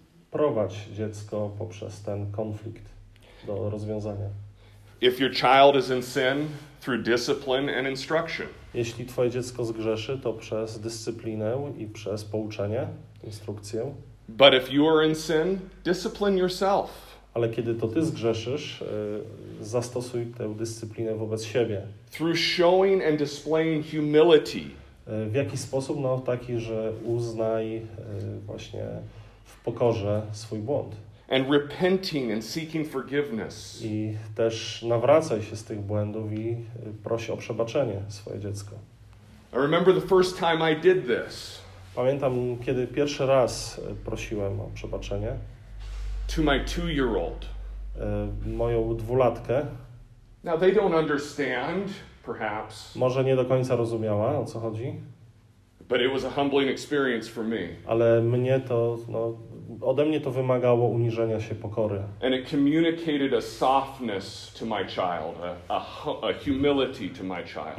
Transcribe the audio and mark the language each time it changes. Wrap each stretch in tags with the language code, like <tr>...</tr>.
<pl>Prowadź dziecko poprzez ten konflikt. do rozwiązania.</pl> <en>If your child is in sin, through discipline and instruction.</en> <pl>Jeśli twoje dziecko zgrzeszy, to przez dyscyplinę i przez pouczenie, instrukcję.</pl> <en>But if you are in sin, discipline yourself.</en> <pl>Ale kiedy to ty zgrzeszysz, zastosuj tę dyscyplinę wobec siebie.</pl> <en>Through showing and displaying humility.</en> <pl>W jaki sposób? No taki, że uznaj właśnie w pokorze swój błąd.</pl> <en>And repenting and seeking forgiveness.</en> <pl>I też nawracaj się z tych błędów i prosi o przebaczenie swoje dziecko.</pl> <en>I remember the first time I did this.</en> <pl>Pamiętam, kiedy pierwszy raz prosiłem o przebaczenie.</pl> <en>To my two-year-old.</en> <pl>Moją dwulatkę.</pl> <en>Now they don't understand, perhaps.</en> <pl>Może nie do końca rozumiała, o co chodzi.</pl> <en>But it was a humbling experience for me.</en> <pl>Ale mnie to, no, ode mnie to wymagało uniżenia się, pokory.</pl> <en>And it communicated a softness to my child, a humility to my child.</en>